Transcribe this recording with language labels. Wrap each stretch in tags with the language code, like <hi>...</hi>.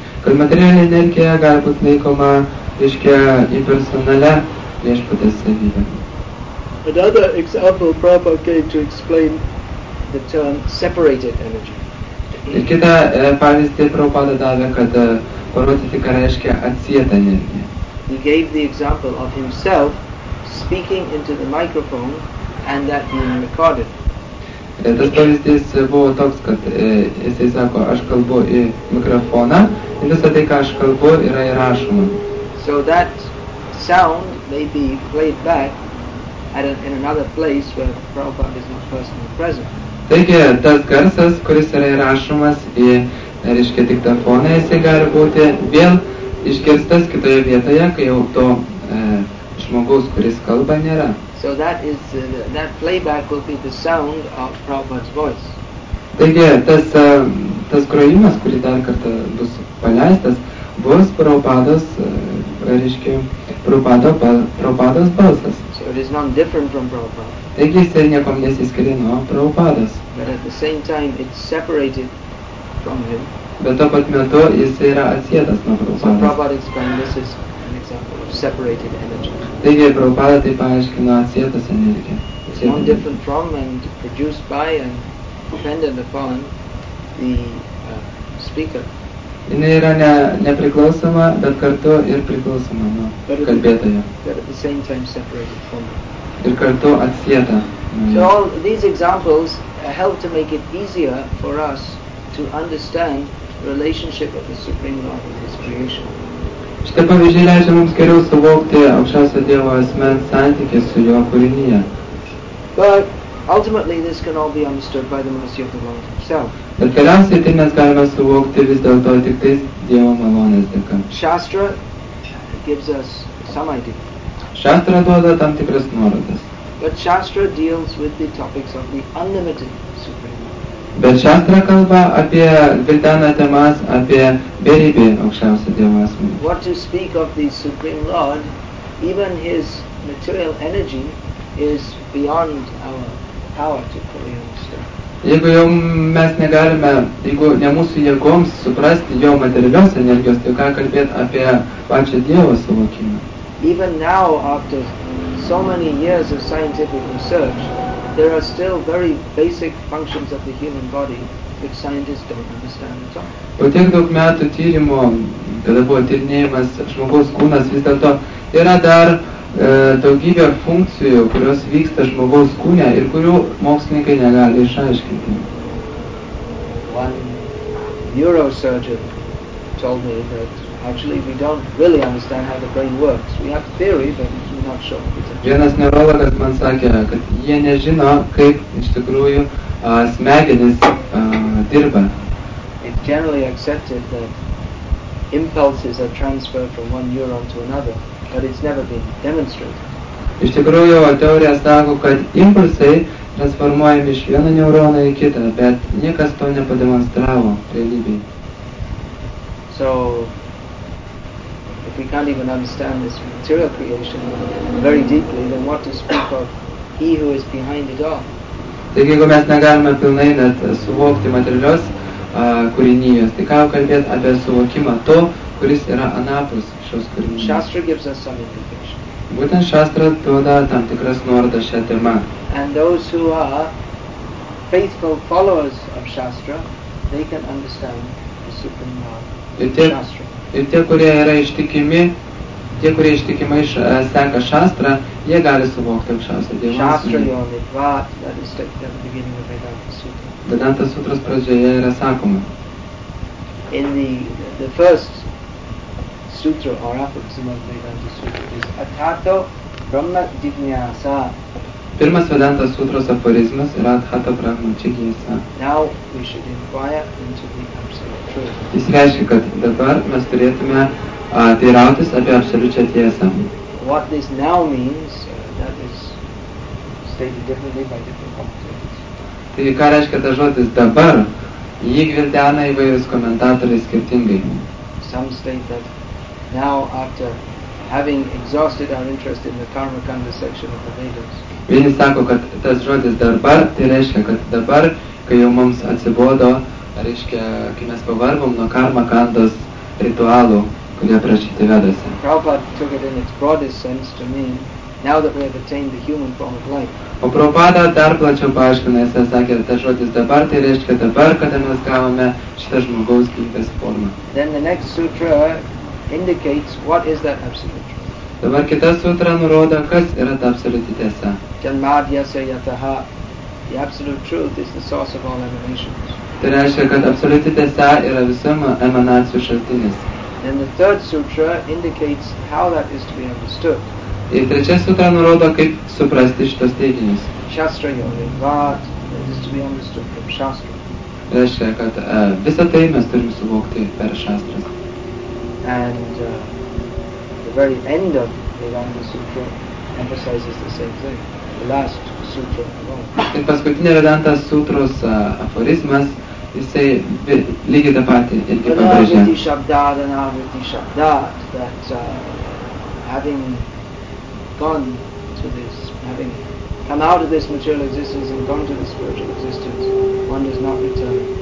<lt>Kad materialinė energija gali būti laikoma, reiškia, impersonale viešpaties savybė.</lt> <en>Another example Prabhupada gave to explain the term separated energy.</en> <lt>Ir kita pavyzdį Prabhupada davė, kad parodyti, ką reiškia atsieta energija.</lt> <en>He gave the example of himself speaking into the microphone and that being recorded.</en> <lt>Tas pavyzdys buvo toks, kad jisai sako, aš kalbu į mikrofoną, ir visą tai, ką aš kalbu, yra įrašoma.</lt> <en>So that sound may be played back at a, in another place where Prabhupada is not personally present.</en> <lt>Taigi, tas garsas, kuris yra įrašomas į, reiškia, diktofoną, jisai gali būti vėl išgirstas kitoje vietoje, kai jau to žmogaus, kuris kalba, nėra.</lt> <en>So that is that playback will be the sound of Prabhupada's voice.</en> <lt>Taigi, tas grojimas, kurį dar kartą bus paleistas, bus Prabhupados, reiškia, Prabhupados balsas.</lt> <en>So it is not different from Prabhupada.</en> <lt>Taigi, jis ir niekom nesiskiria nuo Prabhupados.</lt> <en>But at the same time, it's separated from him.</en> <lt>Bet to pat metu, jis yra atsietas nuo Prabhupados.</lt> <en>So Prabhupada explained this is an example of separated energy.</en> <lt>Taigi, Prabhupada tai paaiškino atsietas energiją.</lt> <en>It's not different from and produced by and dependent upon the speaker.</en> <lt>Jis yra nepriklausoma, bet kartu ir priklausoma nuo kalbėtojo.</lt> <en>But at the same time separated from him.</en> <lt>Ir kartu atsieta.</lt> <en>So all these examples help to make it easier for us to understand the relationship of the Supreme Lord with His creation.</en> <lt>Šitie pavyzdžiai leidžia mums geriau suvokti aukščiausio Dievo asmens santykį su Jo kūrinyje.</lt> <en>But ultimately this can all be understood by the mercy of the Lord Himself.</en> <lt>Bet galiausiai tai mes galime suvokti vis dėlto tik tais Dievo malonės dėka.</lt> <en>Shastra gives us some idea.</en> <lt>Shastra duoda tam tikras nuorodas.</lt> <en>But Shastra deals with the topics of the unlimited Supreme Lord.</en> <lt>Bet Shastra kalba apie gvildena temas, apie beribį aukščiausią Dievo asmenį.</lt> <en>What to speak of the Supreme Lord, even his material energy is beyond our power to fully understand.</en> <lt>Jeigu jau mes negalime, jeigu ne mūsų jėgoms suprasti jo materialios energijos, tai ką kalbėt apie pačią Dievo suvokimą.</lt> <en>Even now, after so many years of scientific research, there are still very basic functions of the human body which scientists don't understand at all.</en> <lt>Po tiek daug metų tyrimo, kada buvo tyrinėjimas žmogaus kūnas, vis dėlto yra dar daugybė funkcijų, kurios vyksta žmogaus kūne ir kurių mokslininkai negali išaiškinti.</lt> <en>One neurosurgeon told me that actually we don't really understand how the brain works. We have theory, but we're not sure.</en> <lt>Vienas neurologas man sakė, kad jie nežino, kaip iš tikrųjų smegenys dirba.</lt> <en>It's generally accepted that impulses are transferred from one neuron to another, but it's never been demonstrated.</en> <lt>Iš tikrųjų, teorija sako, kad impulsai transformuojami iš vieno neurono į kitą, bet niekas to nepademonstravo realybėje.</lt> <en>So, if we can't even understand this material creation very deeply, then what to speak of he who is behind it all?</en> <lt>Taigi, jeigu mes negalime pilnai net suvokti materialios kūrinijos, tai ką kalbėti apie suvokimą to, kuris yra anapus šios kūrinijos?</lt> <en>Shastra gives us some indication.</en> <lt>Būtent Shastra duoda tam tikras nuorodas šią temą.</lt> <en>And those who are faithful followers of Shastra, they can understand the supreme law of Shastra.</en> <lt>Ir tie, kurie yra ištikimi, tie, kurie ištikimai seka Shastra, jie gali suvokti aukščiausią dievą.</lt> <sa>Shastra yonidva,</sa> <en>that is stated at the beginning of Vedanta Sutra.</en> <lt>Vedanta Sutras pradžioje yra sakoma.</lt> <en>In the first sutra or aphorism of Vedanta Sutra is</en> <sa>Atato Brahma Jignyasa.</sa> <lt>Pirmas Vedanta Sutras aphorizmas yra</lt> <sa>Atato Brahma Jignyasa.</sa> <en>Now we should inquire into the absolute truth.</en> <lt>Jis reiškia, kad dabar mes turėtume teirautis apie absoliučią tiesą.</lt> <en>What this now means, that is stated differently by different commentators.</en> <lt>Tai ką reiškia tas žodis dabar, jį gvildena įvairius komentatoriai skirtingai.</lt> <en>Some state that now after having exhausted our interest in the Karmakanda section of the Vedas.</en> <lt>Vieni sako, kad tas žodis dabar, tai reiškia, kad dabar, kai jau mums atsibodo, reiškia, kai mes pavargom nuo Karmakandos ritualų, kurie prašyti vedose.</lt> <en>Prabhupada took it in its broadest sense to mean, now that we have attained the human form of life.</en> <lt>O Prabhupada dar plačiau paaiškino, jis sakė, tas žodis dabar, tai reiškia dabar, kada mes gavome šitą žmogaus gyvybės formą.</lt> <en>Then the next sutra indicates what is that absolute truth.</en> <lt>Dabar kita sutra nurodo, kas yra ta absoliuti tiesa.</lt> <sa>Janmadhyasa yataha.</sa> <en>The absolute truth is the source of all emanations.</en> <lt>Tai reiškia, kad absoliuti tiesa yra visam emanacijų šaltinis.</lt> <en>Then the third sutra indicates how that is to be understood.</en> <lt>Ir trečia sutra nurodo, kaip suprasti šitos teiginius.</lt> <sa>Shastra yonidva,</sa> <en>that is to be understood from Shastra.</en> <lt>Tai reiškia, kad visą tai mes turim suvokti per Shastras.</lt> <en>And the very end of Vedanta Sutra emphasizes the same thing, the last sutra alone.</en> <lt>Ir paskutinė Vedanta Sutros aphorizmas, jisai lygiai tą patį irgi pabrėžia.</lt> <sa>Anavriti shabdat, anavriti shabdat,</sa> <en>that having gone to this, having come out of this material existence and gone to the spiritual existence, one does not return.</en>